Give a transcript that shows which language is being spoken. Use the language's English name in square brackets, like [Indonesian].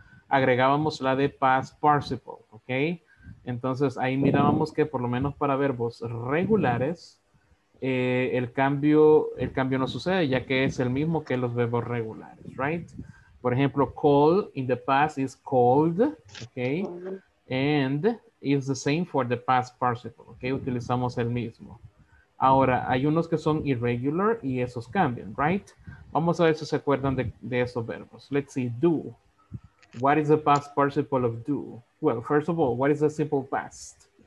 [Spanish] Agregábamos la de past participle, okay? Entonces, ahí mirábamos que por lo menos para verbos regulares, el cambio no sucede, ya que es el mismo que los verbos regulares, right? Por ejemplo, [English] call in the past is called, okay? And it's the same for the past participle, okay? [Spanish] Utilizamos el mismo. Ahora, hay unos que son irregular y esos cambian, right? Vamos a ver si se acuerdan de esos verbos. [English] Let's see, do. What is the past participle of do? Well, first of all, what is the simple past?